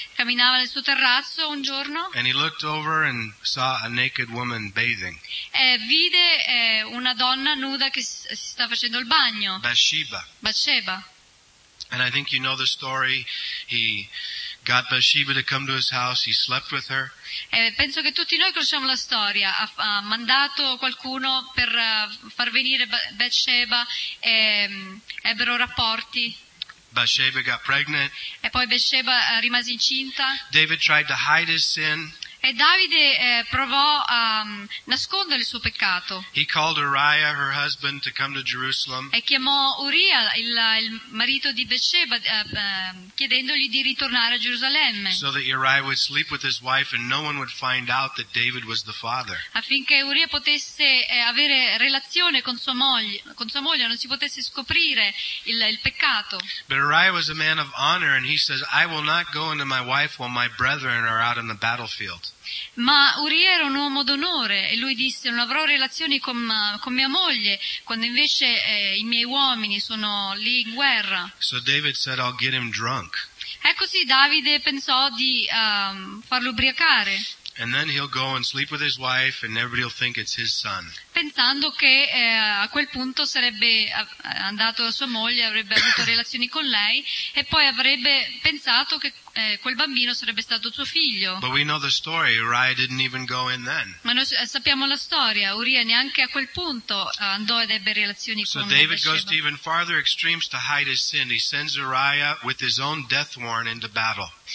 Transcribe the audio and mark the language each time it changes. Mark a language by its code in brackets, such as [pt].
[it] Camminava nel suo terrazzo un giorno. [en] And he looked over and saw a naked woman bathing. [it] E vide una donna nuda che si sta facendo il bagno. [en] Bathsheba. Bathsheba. And I think you know the story. He got Bathsheba to come to his house. He slept with her. [it] E penso che tutti noi conosciamo la storia. Ha mandato qualcuno per far venire Bathsheba e ebbero rapporti. [en] Bathsheba got pregnant. [it] E poi Bathsheba rimase incinta. [en] David tried to hide his sin. [it] E Davide provò a nascondere il suo peccato. [en] He called Uriah, her husband, to come to Jerusalem. [it] E chiamò Uria, il marito di Bathsheba, chiedendogli di ritornare a Gerusalemme. [en] So that Uriah would sleep with his wife and no one would find out that David was the father. [it] Affinché Uria potesse avere relazione con sua moglie, non si potesse scoprire il peccato. [en] But Uriah was a man of honor and he says, I will not go into my wife while my brethren are out on the battlefield. [it] Ma Uria era un uomo d'onore e lui disse non avrò relazioni con mia moglie quando invece i miei uomini sono lì in guerra. [en] So David said, I'll get him drunk. [it] E così Davide pensò di farlo ubriacare. [en] And then he'll go and sleep with his wife and everybody will think it's his son. [it] Pensando che a quel punto sarebbe andato da sua moglie, avrebbe avuto relazioni con lei e poi avrebbe pensato che quel bambino sarebbe stato suo figlio. [en] But we know the story. Uriah didn't even go in then. [it] Ma noi sappiamo la storia. Uria neanche a quel punto andò ed ebbe relazioni con [en] Bathsheba. So David goes to even farther extremes to hide his sin. He sends Uriah with his own death warrant into battle.